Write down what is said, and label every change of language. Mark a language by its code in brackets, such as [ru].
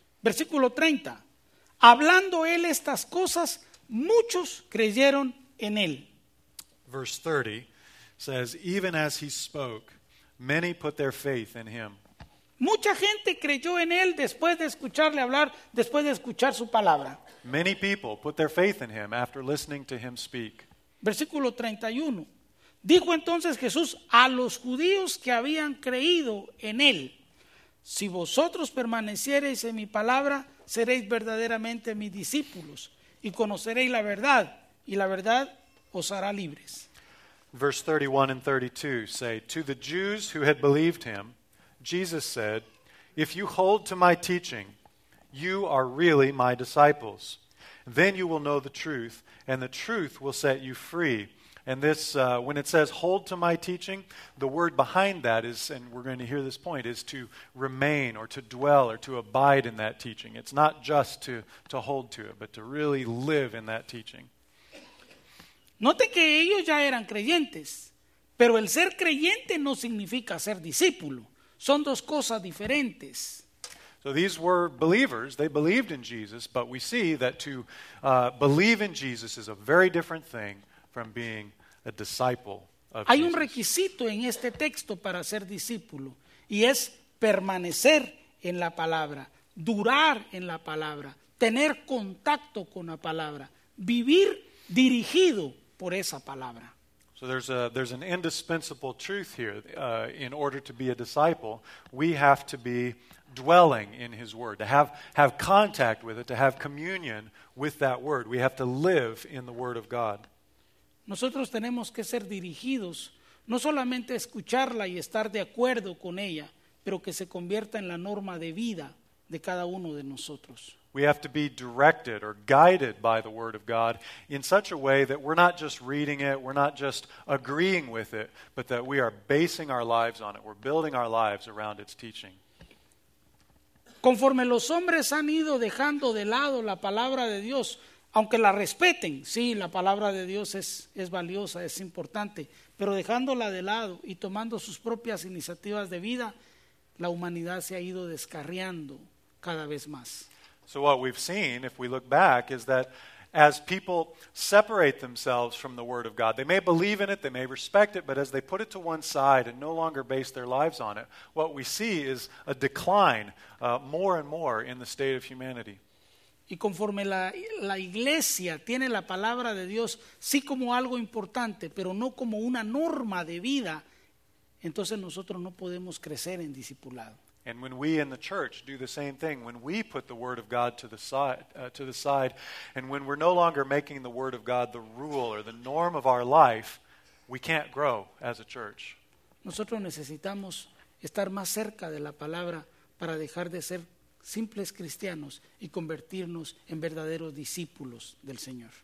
[es] Versículo 30. Hablando él estas cosas, muchos creyeron en él. [en] Verse 30 says, even as he spoke, many put their faith in him. [es] Mucha gente creyó en él después de escucharle hablar, después de escuchar su palabra. [en] Many people put their faith in him after listening to him speak. [es] Versículo 31. Dijo entonces Jesús a los judíos que habían creído en él: si vosotros permaneciereis en mi palabra, seréis verdaderamente mis discípulos y conoceréis la verdad, y la verdad os hará libres. [en] Verse 31 and 32 say, to the Jews who had believed him, Jesus said, if you hold to my teaching, you are really my disciples. Then you will know the truth, and the truth will set you free. And this, when it says hold to my teaching, the word behind that is, and we're going to hear this point, is to remain or to dwell or to abide in that teaching. It's not just to hold to it, but to really live in that teaching. [es] Note que ellos ya eran creyentes, pero el ser creyente no significa ser discípulo. Son dos cosas diferentes. [en] So these were believers. They believed in Jesus, but we see that to believe in Jesus is a very different thing from being a disciple of Jesus. [es] Hay un requisito en este texto para ser discípulo, y es permanecer en la palabra, durar en la palabra, tener contacto con la palabra, vivir dirigido por esa palabra. [en] So there's an indispensable truth here. In order to be a disciple, we have to be dwelling in his word, to have contact with it, to have communion with that word. We have to live in the word of God. [es] Nosotros tenemos que ser dirigidos, no solamente escucharla y estar de acuerdo con ella, pero que se convierta en la norma de vida de cada uno de nosotros. [en] We have to be directed or guided by the Word of God in such a way that we're not just reading it, we're not just agreeing with it, but that we are basing our lives on it. We're building our lives around its teaching. [es] Conforme los hombres han ido dejando de lado la palabra de Dios, aunque la respeten, sí, la palabra de Dios es valiosa, es importante, pero dejándola de lado y tomando sus propias iniciativas de vida, la humanidad se ha ido descarriando cada vez más. [en] So what we've seen, if we look back, is that as people separate themselves from the Word of God, they may believe in it, they may respect it, but as they put it to one side and no longer base their lives on it, what we see is a decline more and more in the state of humanity. [es] Y conforme la iglesia tiene la palabra de Dios, sí como algo importante, pero no como una norma de vida, entonces nosotros no podemos crecer en discipulado. [en] And when we in the church do the same thing, when we put the Word of God to the side, and when we're no longer making the Word of God the rule or the norm of our life, we can't grow as a church. [es] Nosotros necesitamos estar más cerca de la palabra para dejar de ser simples cristianos y convertirnos en verdaderos discípulos del Señor.